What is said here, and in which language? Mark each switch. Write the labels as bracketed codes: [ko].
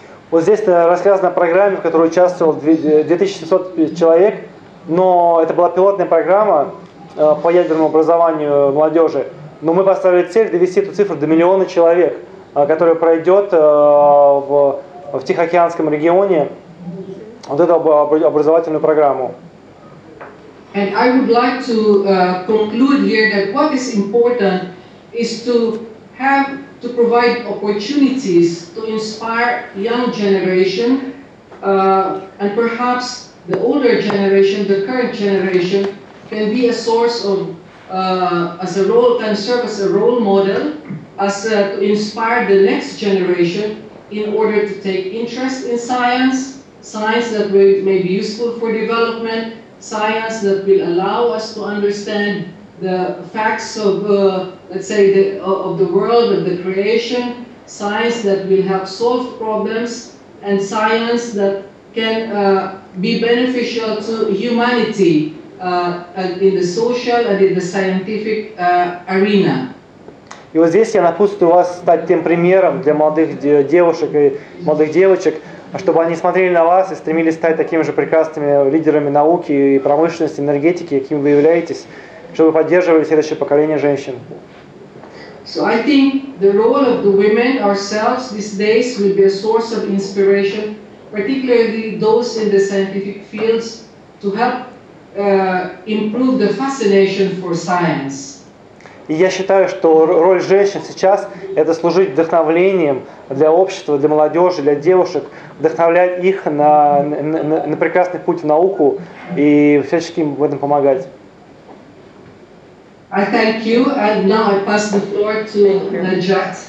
[ru] Вот здесь рассказано о программе, в которой участвовало 2700 человек, но это была пилотная программа по ядерному образованию молодежи. Но мы поставили цель довести эту цифру до миллиона человек, которая пройдет в Тихоокеанском регионе вот эту образовательную программу. [en] And I would like to conclude here that what is important is to have to provide opportunities to inspire young generation and perhaps the older generation, the current generation can be a source of as a role can serve as a role model as to inspire the next generation in order to take interest in science, science that may be useful for development, science that will allow us to understand the facts of, let's say, of the world, of the creation, science that will help solve problems, and science that can be beneficial to humanity in the social and in the scientific arena. [ru] И вот здесь я напутствую вас стать тем примером для молодых девушек и молодых девочек, чтобы они смотрели на вас и стремились стать такими же прекрасными лидерами науки и промышленности, энергетики, какими вы являетесь, чтобы вы поддерживали следующее поколение женщин. [en] So I think the role of the women ourselves these days will be a source of inspiration, particularly those in the scientific fields, to help improve the fascination for science. [ru] И я считаю, что роль женщин сейчас – это служить вдохновлением для общества, для молодежи, для девушек, вдохновлять их на прекрасный путь в науку и всячески им в этом помогать. [en] I thank you, and now I pass the floor to Najat.